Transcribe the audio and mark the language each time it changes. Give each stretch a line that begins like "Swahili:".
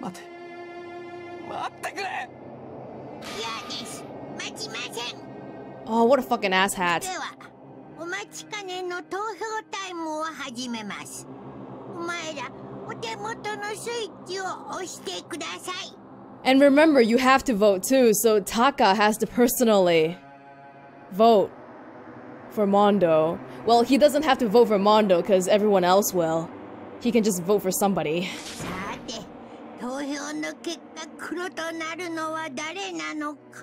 Japanese: 待て、待ってくれ！嫌です。待ちません。
English: Oh, what a fucking asshat。
Japanese: では、お待ちかねの投票タイムを始めます。お前ら、お手元のスイッチを押してください。
English: And remember, you have to vote too, so Taka has to personally vote for Mondo. Well, he doesn't have to vote for Mondo because everyone else will. He can just vote for somebody.
Japanese: さて、投票の結果黒となるのは誰なのか。